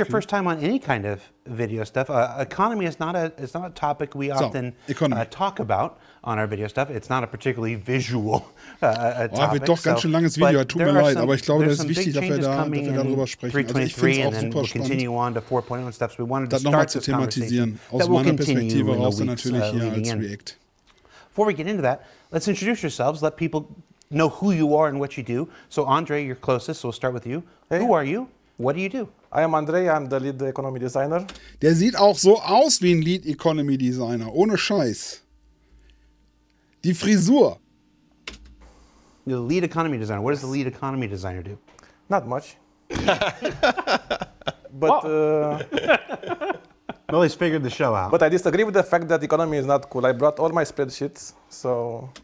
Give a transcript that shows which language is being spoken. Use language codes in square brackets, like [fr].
[en] Your first time on any kind of video stuff. Economy is not a topic we often talk about on our video stuff. It's not a particularly visual topic. [de] Wird doch ganz schön langes Video, tut mir leid, aber ich glaube, das ist wichtig, dass wir darüber sprechen. Also ich finde es auch super spannend, [en] on to 4.1 stuff. So we wanted to [de] das nochmal zu thematisieren. Aus meiner Perspektive raus dann natürlich hier als React. [en] Before we get into that, let's introduce yourselves, let people know who you are and what you do. So Andre, you're closest, so we'll start with you. Hey. Who are you? What do you do? I am Andre, I'm the Lead Economy Designer. [de] Der sieht auch so aus wie ein Lead Economy Designer, ohne Scheiß. Die Frisur. [en] The Lead Economy Designer, what does the Lead Economy Designer do? Not much. But... Well, he's figured the show out. But I disagree with the fact that economy is not cool. I brought all my spreadsheets, so...